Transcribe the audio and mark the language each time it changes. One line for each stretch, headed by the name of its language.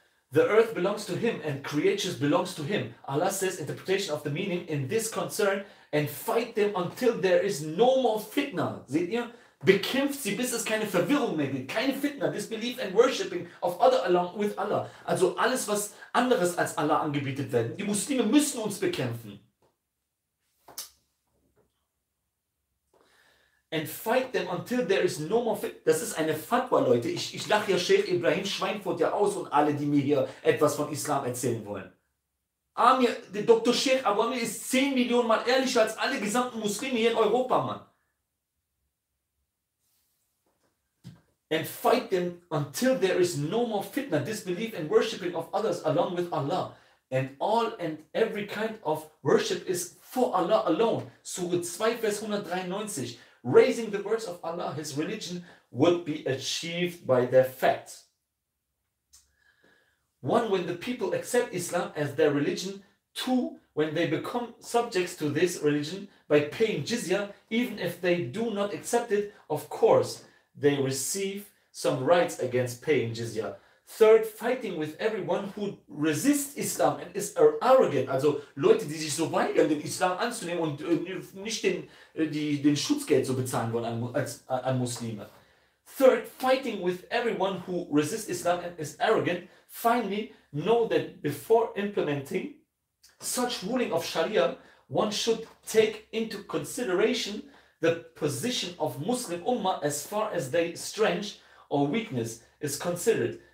English: The earth belongs to him and creatures belongs to him. Allah says, interpretation of the meaning in this concern and fight them until there is no more fitna.
German: Seht ihr? Bekämpft sie, bis es keine Verwirrung mehr gibt. Keine fitna.
English: Disbelief and worshipping of other along with Allah.
German: Also alles, was anderes als Allah angebetet werden. Die Muslime müssen uns bekämpfen.
English: And fight them until there is no more fit.
German: Das ist eine Fatwa, Leute. Ich lache ja Sheikh Ibrahim Schweinfurt ja aus und alle, die mir hier etwas von Islam erzählen wollen. Amir, der Dr. Sheikh Abu Amir ist 10 Millionen Mal ehrlicher als alle gesamten Muslime hier in Europa, Mann.
English: And fight them until there is no more fitna, disbelief and worshipping of others along with Allah. And all and every kind of worship is for Allah alone. Surah 2, Vers 193. Raising the words of Allah, his religion, would be achieved by their fact. One, when the people accept Islam as their religion. Two, when they become subjects to this religion by paying jizya, even if they do not accept it, of course, they receive some rights against paying jizya. Third, fighting with everyone who resists Islam and is arrogant.
German: Also Leute, die sich so weigern, den Islam anzunehmen und nicht den Schutzgeld so bezahlen wollen an Muslime.
English: Third, fighting with everyone who resists Islam and is arrogant. Finally, know that before implementing such ruling of Sharia, one should take into consideration the position of Muslim Ummah as far as their strength or weakness is considered.